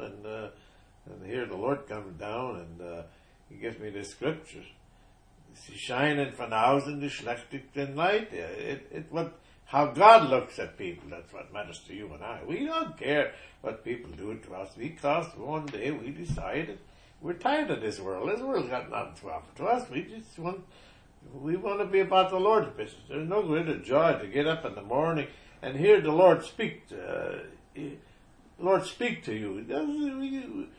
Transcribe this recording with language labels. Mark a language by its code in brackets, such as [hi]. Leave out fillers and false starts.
[en] And here the Lord comes down and he gives me the scripture. [de] Sie scheinen von außen die schlechtesten Leute. [en] How God looks at people, that's what matters to you and I. We don't care what people do to us because one day we decided we're tired of this world. This world's got nothing to offer to us. We want to be about the Lord's business. There's no greater joy to get up in the morning and hear the Lord speak to, you.